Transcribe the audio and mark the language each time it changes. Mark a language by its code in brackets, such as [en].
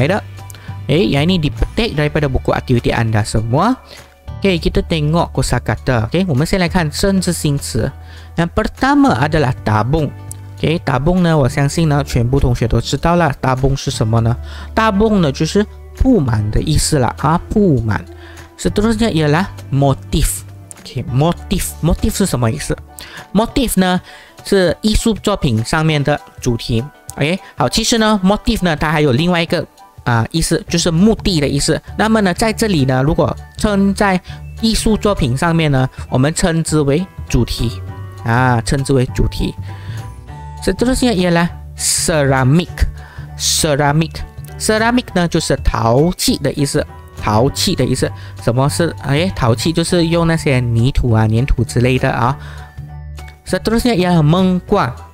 [zh] 好的，同学们，那么呢，这一期的视频呢，将是这个我们讨论课业来讨论活动本的视频了。那么老师希望呢，你们在观看这个视频之前呢，已经尝试完成你们的作业了啊。好的，那么我们下来看看。诶，这个呢，就是从你们的课本里面的原文呢摘出来的。诶， [ms] yang ini dipetik daripada buku aktiviti anda semua。 Okay, kita tengok kosakata. [zh] Okay, 我们先来看生字新词。 [ms] Yang pertama adalah tabung. [zh] Okay, tabung呢, 我相信呢, 全部同学都知道了, tabung 是什么呢? Tabung 呢, 就是不满的意思了, 啊, 不满。 [ms] Seterusnya ialah motif. Okay, motif. [zh] Motif 是什么意思?Motif 呢, 是艺术作品上面的主题。 Okay, 好, 其实呢, motif 呢, 它还有另外一个 意思就是目的的意思。那么呢，在这里呢，如果称在艺术作品上面呢，我们称之为主题啊，称之为主题。所以这是呢，也来ceramic，ceramic，ceramic呢就是陶器的意思，陶器的意思。什么是？哎，陶器就是用那些泥土啊、粘土之类的啊。所以这是呢，也 mengguang。